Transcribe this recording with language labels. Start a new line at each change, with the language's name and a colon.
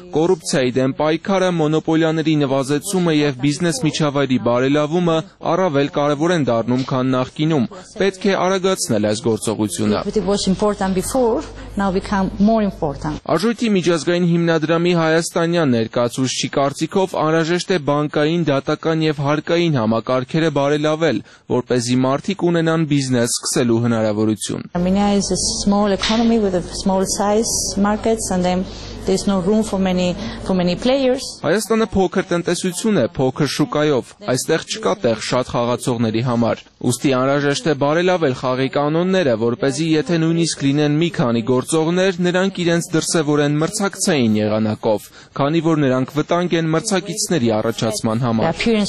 Armenian: Կոռուպցիայի դեմ պայքարը, մոնոպոլիաների նվազեցումը և բիզնես միջավայրի բարելավումը առավել կարևոր են դառնում, քան նախկինում։ Պետք է արագացնել այս գործողությունը։ Արժույթի միջազգային հիմնադրամի հայաստանյան ներկայացուցիչի կարծիքով անհրաժեշտ է բանկային, դատական և հարկային համակարգերը բարելավել, որպեսզի մարդիկ ունենան բիզնես սկսելու հնարավորություն։
English: Armenia is a small economy with a small size markets and then there's no room for many players.
Armenian: Հայաստանը փոքր տնտեսություն է, փոքր շուկայով, այստեղ չկա տեղ շատ խաղացողների համար։ Ուստի անհրաժեշտ է բարելավել խաղի կանոնները, որպեսզի եթե նույնիսկ լինեն մի քանի գործողներ, նրանք իրենց դրսևորեն մրցակցային եղանակով, քանի որ նրանք վտանգ են մրցակիցների առաջացման համար։